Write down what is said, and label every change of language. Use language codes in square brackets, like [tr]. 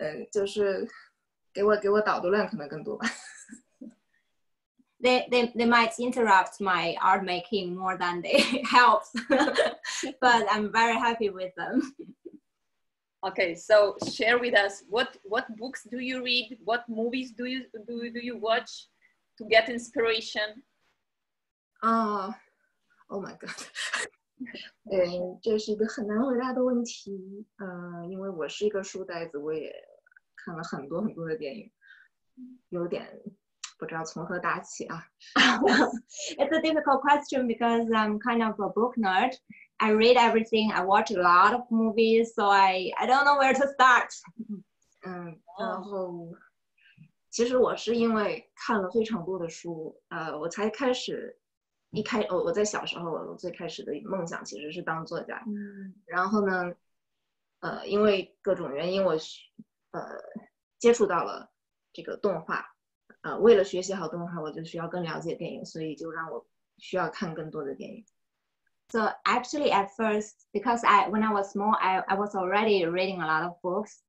[zh] 就是给我导读量可能更多吧。 [en] They might interrupt my art making more than they help, but I'm very happy with them. Okay, so share with us what books do you read? What movies do you watch to get inspiration? Oh my god. [zh] 这是一个很难回答的问题。因为我是一个书呆子，我也看了很多很多的电影，有点不知道从何打起啊。 [en] It's a difficult question because I'm kind of a book nerd. I read everything. I watch a lot of movies, so I don't know where to start. [zh] 然后其实我是因为看了非常多的书，我才开始。我在小时候我最开始的梦想其实是当作家，然后呢，因为各种原因我接触到了这个动画，为了学习好动画我就需要更了解电影，所以就让我需要看更多的电影。 [en] So actually at first, because when I was small, I was already reading a lot of books.